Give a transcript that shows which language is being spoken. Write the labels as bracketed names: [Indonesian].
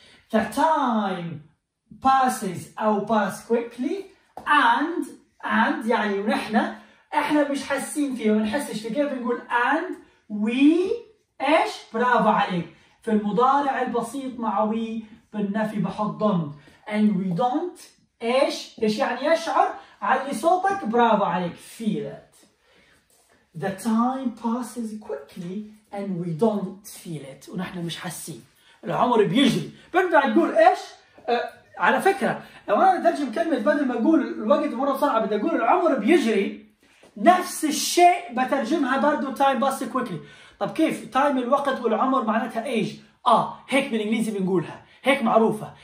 [English] The time passes [Arabic] أو [English] pass quickly and [Arabic] يعني ونحن احنا مش حاسين فيها ما نحسش فيها. كيف نقول [English] and we [Arabic] ايش؟ برافو عليك. في المضارع البسيط مع we بالنفي بحط don't. [English] And we don't [Arabic] ايش؟ ايش يعني يشعر؟ علي صوتك برافو عليك [English] feel it. The time passes quickly and we don't feel it. [Arabic] ونحن مش حاسين. العمر بيجري. بنرجع نقول إيش؟ على فكرة لو أنا أترجم كلمة بدل ما أقول الوقت مرة صعب بدي أقول العمر بيجري. نفس الشيء بترجمها برضو [English] time passes quickly. [Arabic] طب كيف؟ time الوقت والعمر معناتها إيش؟ هيك بالإنجليزي بنقولها. هيك معروفة.